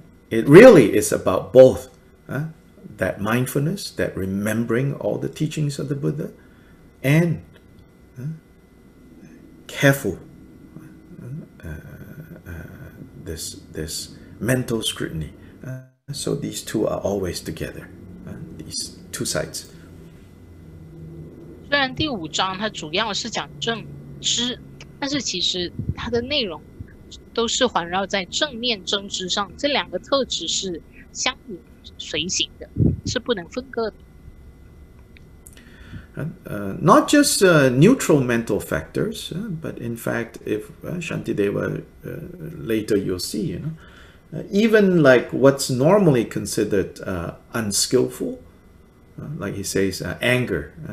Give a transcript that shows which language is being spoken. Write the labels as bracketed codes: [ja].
[en] It really is about both that mindfulness, that remembering all the teachings of the Buddha, and careful this mental scrutiny. So these two are always together, these two sides. [zh] 虽然第五章它主要是讲正知，但是其实它的内容都是环绕在正念真知上，这两个特质是相应随行的，是不能分割的。 [en] Not just neutral mental factors, but in fact, if Shantideva later you'll see, you know, even like what's normally considered unskillful, like he says, anger.